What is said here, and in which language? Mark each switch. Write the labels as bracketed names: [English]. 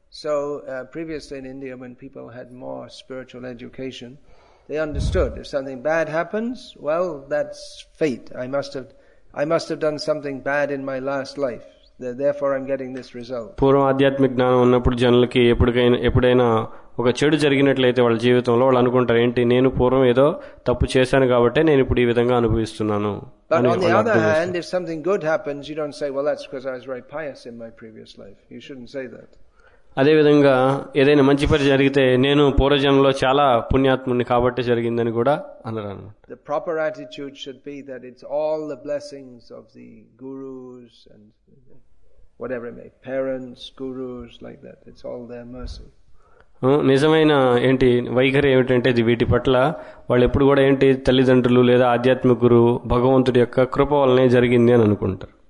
[English] So previously in India, when people had more spiritual education, they understood if something bad happens, well, that's fate. I must have done something bad in my last life, therefore I'm getting this result. [Telugu] పూర్వం ఆధ్యాత్మిక జ్ఞానం ఉన్నప్పుడు జనులకి ఎప్పుడైనా ఒక చెడు జరిగినట్లయితే వాళ్ళ జీవితంలో వాళ్ళు అనుకుంటారు, ఏంటి నేను పూర్వం ఏదో తప్పు చేశాను కాబట్టి నేను ఇప్పుడు ఈ విధంగా అనుభవిస్తున్నాను. [English] But on the other hand, if something good happens, you don't say, well, that's because I was very pious in my previous life. You shouldn't say that. [Telugu] అదే విధంగా ఏదైనా మంచి పని జరిగితే నేను పూర్వజన్మలో చాలా పుణ్యాత్ముని కాబట్టి జరిగిందని కూడా అన్నారు అన్నమాట. [English] The proper attitude should be that it's all the blessings of the gurus and whatever it may, parents, gurus, like that, it's all their mercy. [Telugu] నిజమైన ఏంటి వైఖరి ఏమిటంటే ఇది, వీటి పట్ల వాళ్ళు ఎప్పుడు కూడా ఏంటి తల్లిదండ్రులు లేదా ఆధ్యాత్మిక గురువు భగవంతుడి యొక్క కృప వలనే జరిగింది అని అనుకుంటారు.